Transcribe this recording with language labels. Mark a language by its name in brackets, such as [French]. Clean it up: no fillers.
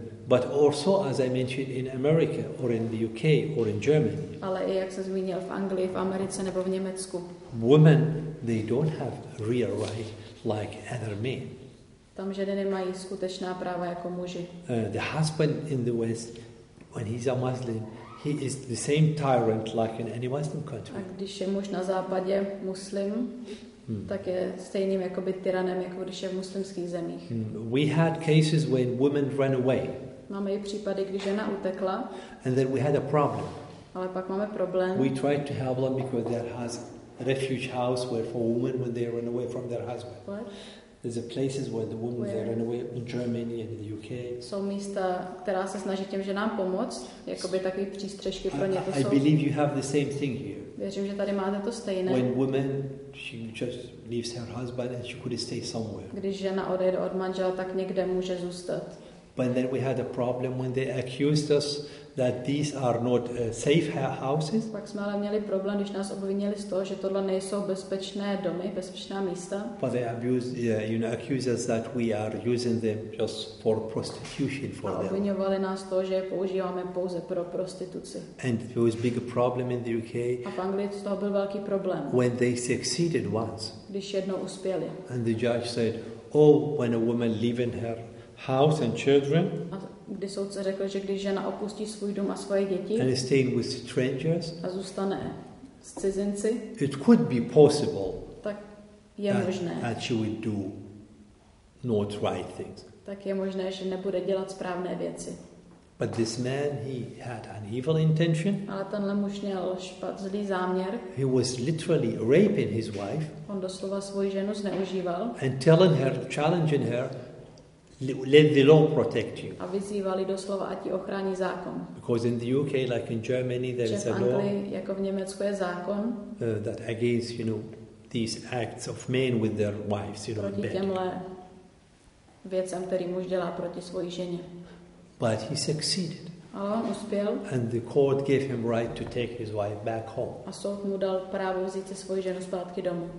[English] But also, as I mentioned, in America or in the UK or in Germany. [Czech] Ale i jak jsem zmínil v Anglii, v Americe nebo v Německu. [English] Women, they don't have real rights like other men. [Czech] Tam ženy nemají skutečná práva jako muži. [English] The husband in the West, when he's a Muslim, he is the same tyrant like in any Muslim country. [Czech] A když je muž na západě muslim. Tak je stejným jakoby tyranem, jako když je v muslimských zemích. [English] We had cases when women ran away. [Czech] Máme i případy, kdy žena utekla. [English] And then we had a problem. [Czech] Ale pak máme problém. [English] We tried to help them because there has a refuge house where for women when they run away from their husband. What? There's a places where the women they run away in Germany and in the UK. [Czech] Jsou místa, která se snaží těm ženám pomoct, jakoby takový přístřešky pro ně. [English] I believe you have the same thing here. [Czech] Věřím, že tady máte to stejné. [English] When women, she just leaves her husband and she could stay somewhere. [Czech] Když žena odejde od manžela, tak někde může zůstat. [English] But then we had a problem when they accused us that these are not safe houses. [Czech] Pak jsme ale měli problém, když nás obvinili z toho, že tohle nejsou bezpečné domy, bezpečná místa. [English] But they abused, yeah, you know, accused us that we are using them just for prostitution for them. [Czech] A obvinovali nás z toho, že je používáme pouze pro prostituci. [English] And there was big problem in the UK. [Czech] A v Anglii z toho byl velký problém. [English] When they succeeded once. [Czech] Když jednou uspěli. [English] And the judge said, oh, when a woman leaving her house and children. [Czech] Kdy soudce řekl, že když žena opustí svůj dům a svoje děti [English] and staying with strangers, [Czech] a zůstane s cizinci, [English] it could be possible [Czech] tak je možné, [English] that she would do not right things. [Czech] Tak je možné, že nebude dělat správné věci. [English] But this man, he had an evil intention. [Czech] Ale tenhle muž měl zlý záměr. [English] He was literally raping his wife. [Czech] On doslova svou ženu zneužíval. [English] And telling her, challenging her, let the law protect you. [Czech] A vyzývali doslova, ať ji ochrání zákon. [English] Because in the UK, like in Germany, there is a law. [Czech] V Anglii, jako v Německu, je zákon. [English] That against, you know, these acts of men with their wives, you know, [Czech] proti těmhle věcem, který muž dělá proti svojí ženě. [English] But he succeeded. [Czech] A on uspěl. [English] And the court gave him right to take his wife back home. [Czech] A soud mu dal právo vzít si svoji ženu zpátky domů.